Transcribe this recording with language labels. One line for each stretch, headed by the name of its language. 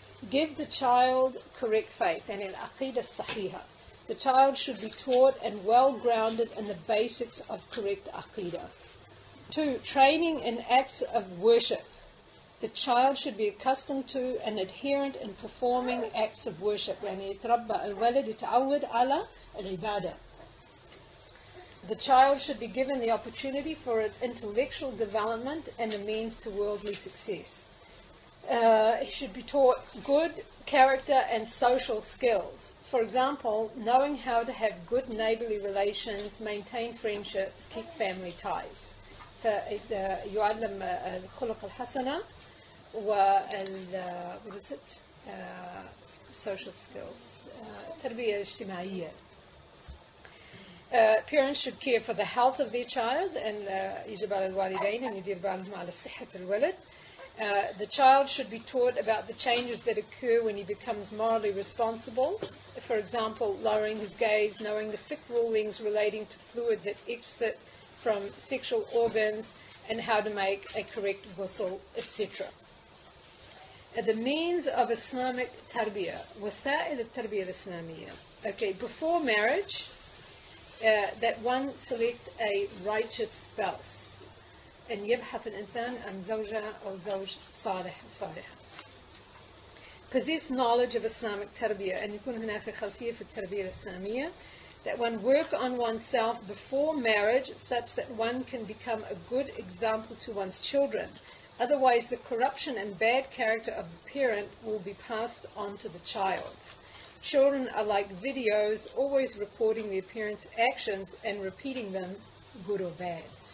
English: Give the child correct faith, and al-aqidah sahiha. The child should be taught and well grounded in the basics of correct aqidah. 2. Training in acts of worship. The child should be accustomed to and adherent in performing acts of worship.
Arabic: يعني يتربى الولد يتعود على العبادة.
English: The child should be given the opportunity for an intellectual development and a means to worldly success. He should be taught good character and social skills. For example, knowing how to have good neighborly relations, maintain friendships, keep family ties.
Arabic: يعلم الخلق الحسنة وال
English: what is it social skills
Arabic: التربية الاجتماعية.
English: Parents should care for the health of their child and
Arabic: يجب على الوالدين أن يدير بالهم على صحة الولد.
English: The child should be taught about the changes that occur when he becomes morally responsible. For example, lowering his gaze, knowing the fiqh rulings relating to fluids that exit from sexual organs, and how to make a correct ghusl, etc. The means of Islamic tarbiyah, wasa'il al-tarbiyah al-islamiyah. Okay, before marriage, that one select a righteous spouse.
Arabic: أن يبحث الإنسان عن زوجة أو زوج صالح صالح.
English: Possess knowledge of Islamic tarbiyah.
Arabic: أن يكون هناك خلفية في التربية الإسلامية.
English: That one work on oneself before marriage such that one can become a good example to one's children. Otherwise the corruption and bad character of the parent will be passed on to the child. Children are like videos, always recording their parents' actions and repeating them, good or bad.